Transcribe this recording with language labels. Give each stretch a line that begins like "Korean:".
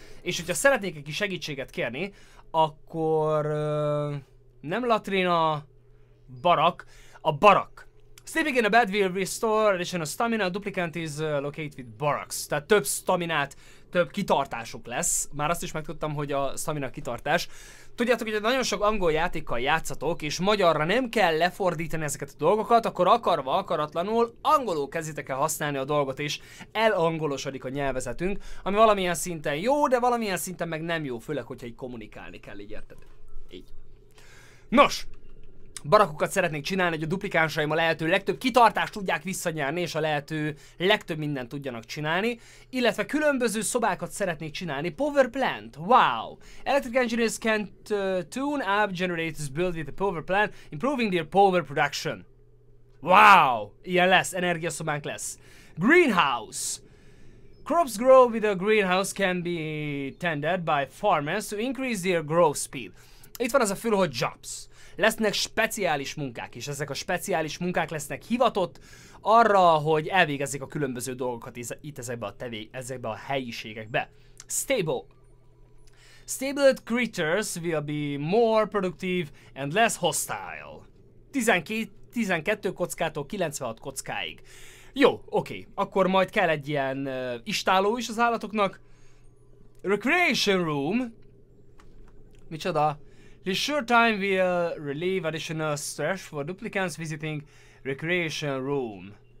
Hungarian: És hogyha szeretnék egy kis segítséget kérni, akkor nem latrina, barak.
English: Sleeping in a bed will restore additional stamina, duplicant is located with barracks.
Hungarian: Tehát több staminát, több kitartásuk lesz. Már azt is megtudtam, hogy a stamina kitartás. Tudjátok, hogy nagyon sok angol játékkal játszatok, és magyarra nem kell lefordítani ezeket a dolgokat, akkor akarva, akaratlanul angolul kezditek el használni a dolgot, és elangolosodik a nyelvezetünk, ami valamilyen szinten jó, de valamilyen szinten meg nem jó, főleg, hogyha így kommunikálni kell, így érted? Így. Nos! Barakokat szeretnék csinálni, hogy a duplikánsaim a lehető legtöbb kitartást tudják visszanyerni, és a lehető legtöbb mindent tudjanak csinálni. Illetve különböző szobákat szeretnék csinálni.
English: Power plant, wow! Electric engineers can tune up generators built with a power plant, improving their power production. Wow!
Hungarian: Ilyen lesz, energiaszobánk lesz.
English: Greenhouse. Crops grow with a greenhouse can be tended by farmers to increase their growth speed.
Hungarian: Itt van az a fülhogy jobs. Lesznek speciális munkák, és ezek a speciális munkák lesznek hivatott arra, hogy elvégezzék a különböző dolgokat itt ezekbe a helyiségekbe. Stable.
English: Stabled creatures will be more productive and less hostile.
Hungarian: 12 kockától 96 kockáig. Jó, oké. Akkor majd kell egy ilyen istáló is az állatoknak.
English: Recreation room.
Hungarian: Micsoda?
English: This short time will relieve additional stress for duplicants visiting recreation room.